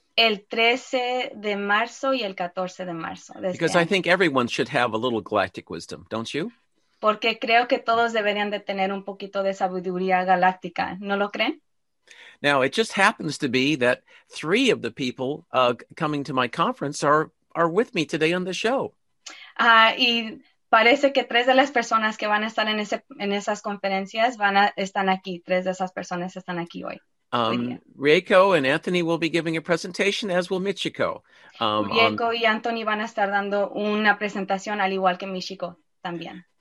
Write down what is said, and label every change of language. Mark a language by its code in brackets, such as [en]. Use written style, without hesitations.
[es] El 13 de marzo y el 14 de marzo de [en] Because I [es] año. [en] think everyone should have a little galactic wisdom, don't you? [es] Porque creo que todos deberían de tener un poquito de sabiduría galáctica, ¿no lo creen? [en] Now, it just happens to be that three of the people coming to my conference are with me today on the show. [es] Y parece que tres de las personas que van a estar en esas conferencias están aquí. Tres de esas personas están aquí hoy. [en] Rieko and Anthony will be giving a presentation, as will Michiko. [es] Rieko y Anthony van a estar dando una presentación, al igual que Michiko también.